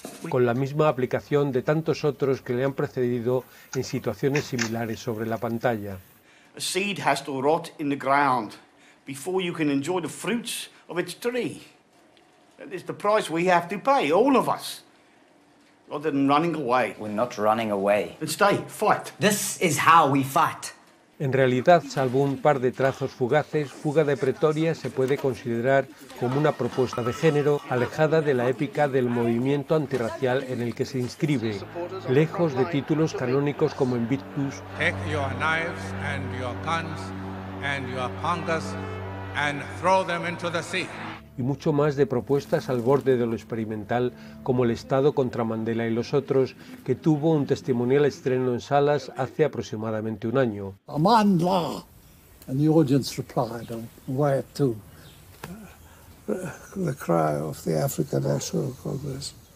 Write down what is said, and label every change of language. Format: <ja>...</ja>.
<es>Con la misma aplicación de tantos otros que le han precedido en situaciones similares sobre la pantalla.</es> <en>A seed has to rot in the ground before you can enjoy the fruits of its tree. That is the price we have to pay, all of us. Rather than running away. We're not running away. Then stay, fight. This is how we fight.</en> <es>En realidad, salvo un par de trazos fugaces, Fuga de Pretoria se puede considerar como una propuesta de género alejada de la épica del movimiento antirracial en el que se inscribe, lejos de títulos canónicos como Invictus.</es> <en>Take your knives and your guns and your pangas and throw them into the sea.</en> <es>Y mucho más de propuestas al borde de lo experimental, como El Estado contra Mandela y los otros, que tuvo un testimonial estreno en salas hace aproximadamente un año.</es> <en>Mandela, and the audience replied, where to? The cry of the African National Congress.</en>